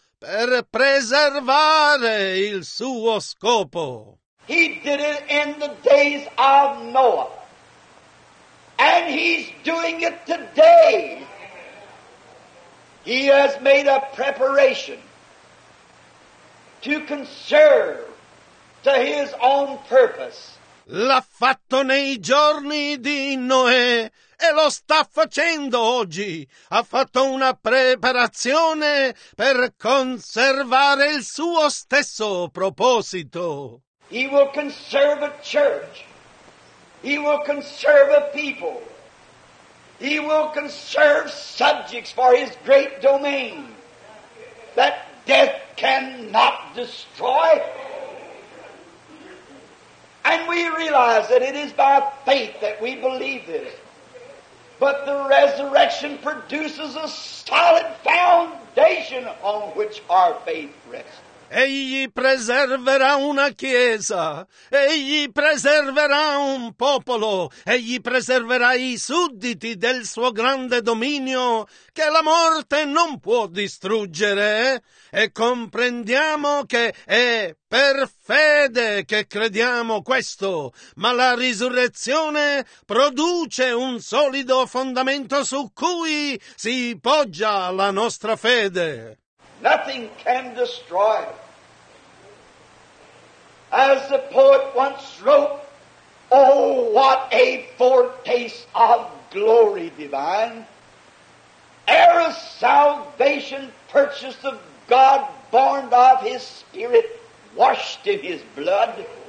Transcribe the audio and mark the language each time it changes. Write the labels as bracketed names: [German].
[Italian] Per preservare il suo scopo. [English] He did it in the days of Noah, and He's doing it today. He has made a preparation to conserve to His own purpose. [Italian] L'ha fatto nei giorni di Noè e lo sta facendo oggi. Ha fatto una preparazione per conservare il suo stesso proposito. [English] He will conserve a church. He will conserve a people. He will conserve subjects for His great domain that death cannot destroy. And we realize that it is by faith that we believe this. But the resurrection produces a solid foundation on which our faith rests. [Italian] Egli preserverà una chiesa, egli preserverà un popolo, egli preserverà i sudditi del suo grande dominio che la morte non può distruggere. E comprendiamo che è per fede che crediamo questo, ma la risurrezione produce un solido fondamento su cui si poggia la nostra fede. [English] Nothing can destroy it. As the poet once wrote, oh, what a foretaste of glory divine! Heir of salvation, purchased of God, born of His Spirit, washed in His blood.